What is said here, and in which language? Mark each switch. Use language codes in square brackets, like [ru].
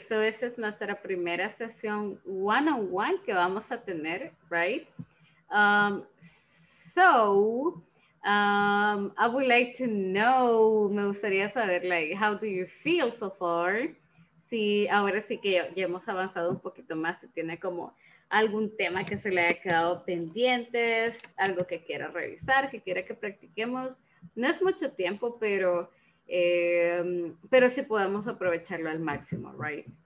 [es] So, esa es nuestra primera sesión one-on-one que vamos a tener, right? [en] I would like to know, [es] me gustaría saber, [en] like, how do you feel so far? [es] Sí, ahora sí que ya hemos avanzado un poquito más. Si tiene como algún tema que se le haya quedado pendientes, algo que quiera revisar, que quiera que practiquemos. No es mucho tiempo, pero sí podemos aprovecharlo al máximo, right?